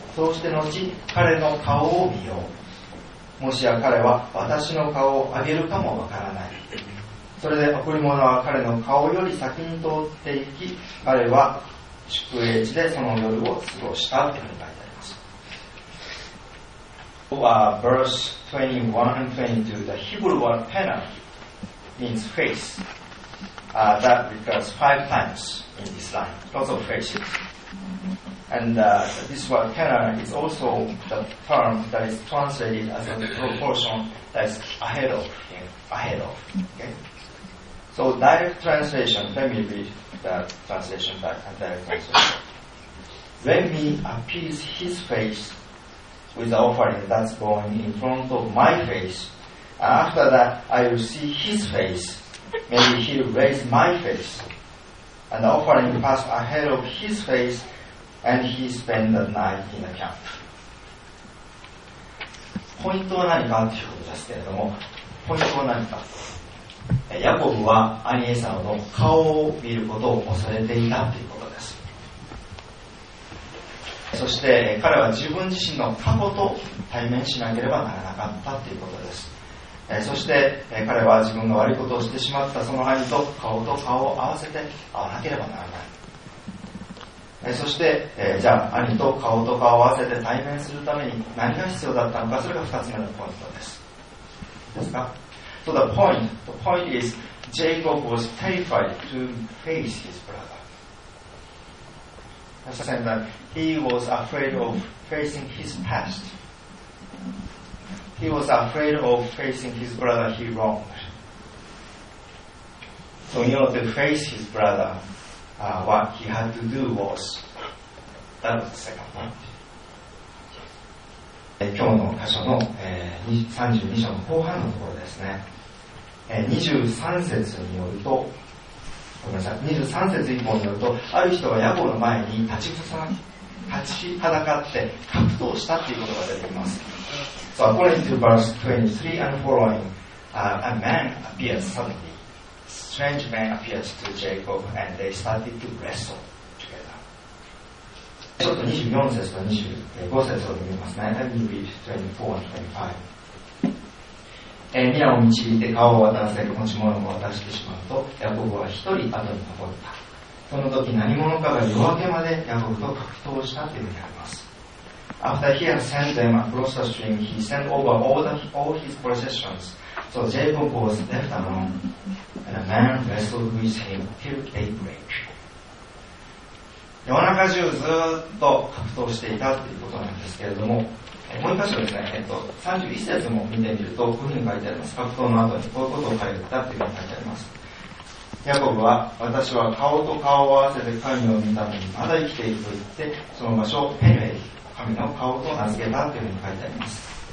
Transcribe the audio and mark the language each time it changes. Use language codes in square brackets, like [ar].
[ja] そうして後、彼の顔を見よう。もしや彼は私の顔を上げるかもわからない。それで贈り物は彼の顔より先に通っていき、彼は宿営地でその夜を過ごした。というふうに書いてあります。 [en] Verse 21 and 22, the Hebrew word penah means face. That recurs 5 times in this line, lots of faces. And this word canon is also the term that is translated as a proportion that is ahead of him, ahead of. Okay? So direct translation, let me read the translation back and direct translation. Let me appease his face with the offering that's going in front of my face. And after that, I will see his face. Maybe he'll raise my face, and the offering passed ahead of his face, and he spent the night in the camp. [ja] ポイントは何かということですけれども、ポイントは何か。ヤコブは兄エサウの顔を見ることを恐れていたということです。そして彼は自分自身の過去と対面しなければならなかったということです。そして彼は自分が悪いことをしてしまったその兄と顔を合わせて会わなければならない。そして、じゃあ兄と顔と顔を合わせて対面するために何が必要だったのか、それが2つ目のポイントです。ですか？ [en] So the point is Jacob was terrified to face his brother. As I said that he was afraid of facing his past. He was afraid of facing his brother he wronged. So in order to face his brother, what he had to do was, that was the second point. [ja] 今日の箇所の、32章の後半のところですね、23節によると、ごめんなさい、23節以降によると、ある人がヤコブの前に立ちはだかって格闘したということが出てきます。 [en] So according to verse 23 and following、a man appeared suddenly. Strange man appeared to Jacob and they started to wrestle. [ja] ちょっと24節と25節を読みますね。 [en] Let me read 24 and 25。 [ja] 宮を導いて顔を渡らせ、持ち物も渡してしまうと、ヤコブは一人後に残った。その時何者かが夜明けまでヤコブと格闘したというふうにあります。 [en] After he had sent them across the stream, he sent over all his possessions. So Jacob was left alone, and a man wrestled with him till daybreak. [ja] 夜中中ずっと格闘していたということなんですけれども、もう一箇所ですね、31節も見てみるとこういうふうに書いてあります。格闘の後にこういうことを書いてたというふうに書いてあります。ヤコブは、私は顔と顔を合わせて神を見たのにまだ生きていると言って、その場所をペネル、神の顔と名付けたというふうに書いてあります。